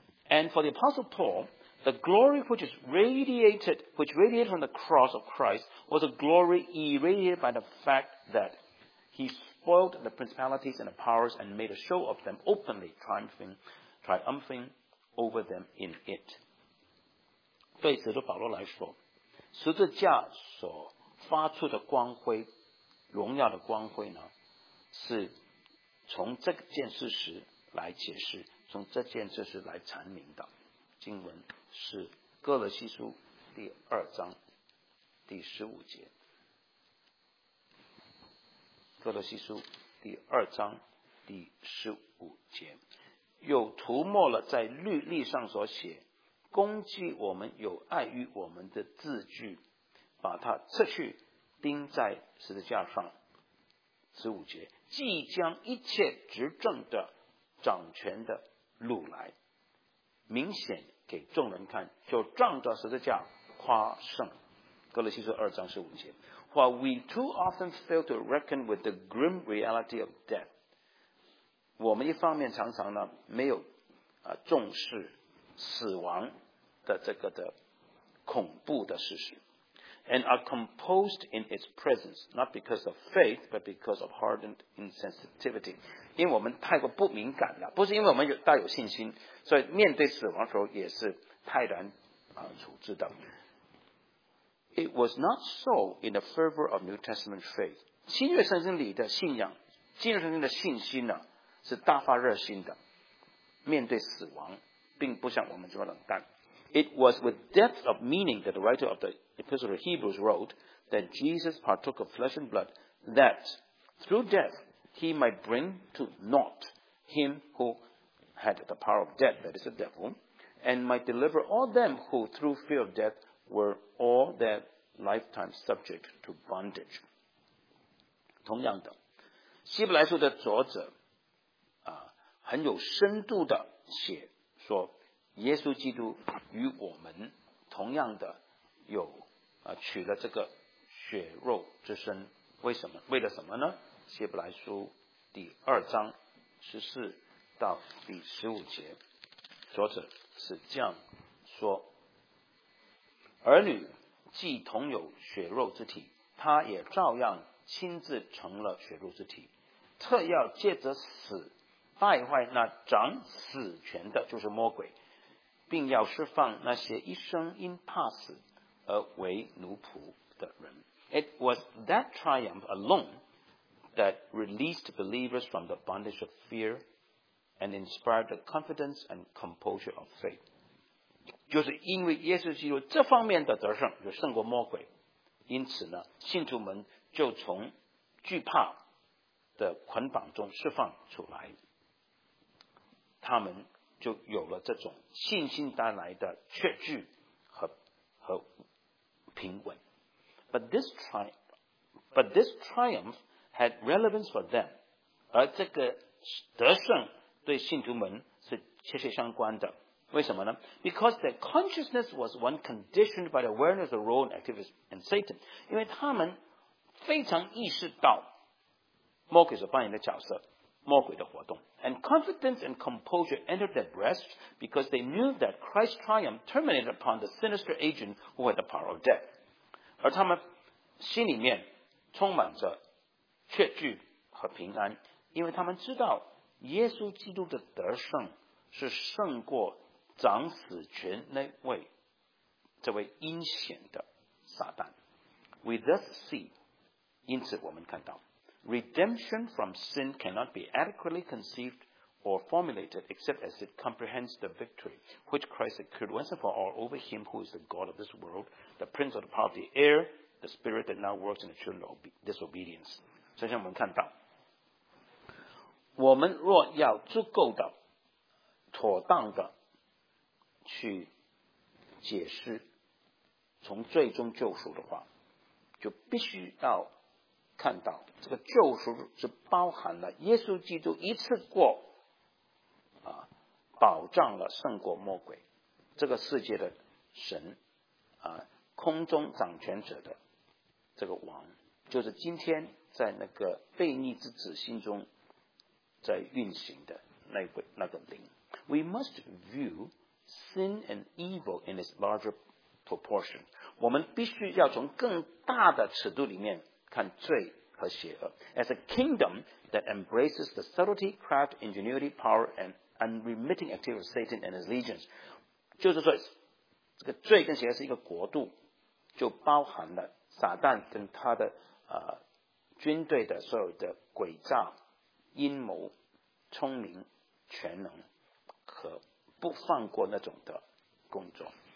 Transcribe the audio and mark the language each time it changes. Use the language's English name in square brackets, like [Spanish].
[English] And for the apostle Paul,The glory which radiated from the cross of Christ was a glory irradiated by the fact that he spoiled the principalities and the powers and made a show of them openly triumphing over them in it. [Chinese] 对使徒保罗来说，十字架所发出的光辉，荣耀的光辉呢，是从这件事实来解释，从这件事实来阐明的。经文是哥罗西书第二章第十五节。哥罗西书第二章第十五节，又涂抹了在律例上所写攻击我们有碍于我们的字句，把它撤去，钉在十字架上。十五节，即将一切执政的掌权的掳来，明显给众人看，就仗着十字架夸胜。哥罗西书二章十五节。 [English] While we too often fail to reckon with the grim reality of death, [Chinese] 我们一方面常常呢没有重视死亡的这个的恐怖的事实。 [English] And are composed in its presence, not because of faith, but because of hardened insensitivity. [Chinese] 因为我们太过不敏感了，不是因为我们大有信心，所以面对死亡的时候也是泰然处置的。 [English] It was not so in the fervor of New Testament faith. [Chinese] 新约圣经里的信仰，新约圣经的信心呢，是大发热心的。面对死亡，并不像我们这么冷淡。 [English] It was with depth of meaning that the writer of the Epistle of Hebrews wrote that Jesus partook of flesh and blood that through death he might bring to naught him who had the power of death, that is the devil, and might deliver all them who through fear of death were all their lifetime subject to bondage. [Chinese] 同样的，希伯来书的作者很有深度的写说耶稣基督与我们同样的有取了这个血肉之身。为什么？为了什么呢？希伯来书第二章十四到第十五节，作者是这样说：儿女既同有血肉之体，他也照样亲自成了血肉之体，特要借着死败坏那掌死权的，就是魔鬼，并要释放那些一生因怕死而为奴仆的人。 [English] It was that triumph alone that released believers from the bondage of fear and inspired the confidence and composure of faith. [Chinese] 就是因为耶稣基督这方面的得胜，就胜过魔鬼，因此呢，信徒们就从惧怕的捆绑中释放出来，他们就有了这种信心带来的确据 和平稳。 [English] But this triumph had relevance for them， [Chinese] 而这个得胜对信徒们是切切相关的。为什么呢？ [English] Because their consciousness was one conditioned by the awareness of role and activities and Satan， [Chinese] 因为他们非常意识到魔鬼所扮演的角色，魔鬼的活动。 [English] And confidence and composure entered their breasts because they knew that Christ's triumph terminated upon the sinister agent who had the power of death。 [Chinese] 而他们心里面充满着确据和平安，因为他们知道耶稣基督的得胜是胜过掌死权那位这位阴险的撒旦。 [English] We thus see， [Chinese] 因此我们看到 [English] Redemption from sin cannot be adequately conceived or formulated except as it comprehends the victory which Christ secured once and for all over him who is the God of this world, the prince of the power of the air, the spirit that now works in the children of disobedience. [Chinese] 所以我们看到，我们若要足够的、妥当的去解释从最终救赎的话，就必须要看到这个救赎是包含了耶稣基督一次过啊，保障了胜过魔鬼这个世界的神啊，空中掌权者的这个王，就是今天在那个悖逆之子心中在运行的那个灵。 [English] We must view sin and evil in its larger proportion， [Chinese] 我们必须要从更大的尺度里面看罪和邪恶。 [English] As a kingdom that embraces the subtlety, craft, ingenuity, power, and unremitting activity of Satan and his legions， [Chinese] 就是说这个罪跟邪恶是一个国度，就包含了撒旦跟他的军队的所有的诡诈、阴谋、聪明、全能和不放过那种的工作。